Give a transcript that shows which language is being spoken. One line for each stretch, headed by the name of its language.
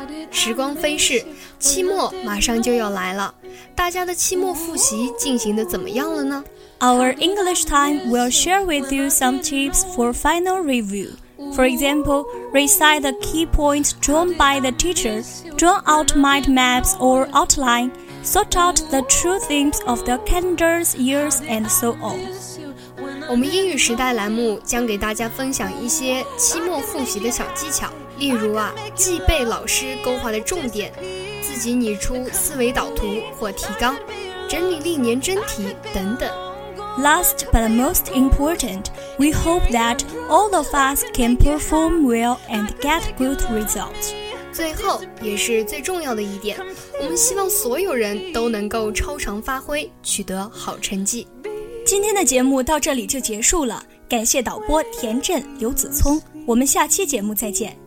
Chinese: 时光飞逝，期末马上就要来了，大家的期末复习进行得怎么样了呢？
English: Our English time will share with you some tips for final review. For example, recite the key points drawn by the teacher, draw out mind maps or outline, sort out the true themes of the calendar years, and so on.
Chinese: 我们英语时代栏目将给大家分享一些期末复习的小技巧，例如啊，记背老师勾画的重点，自己拟出思维导图或提纲，整理历年真题等等。
English: Last but most important, we hope that all of us can perform well and get good results.
Chinese: 最后也是最重要的一点，我们希望所有人都能够超常发挥，取得好成绩。今天的节目到这里就结束了，感谢导播田震、刘子聪，我们下期节目再见。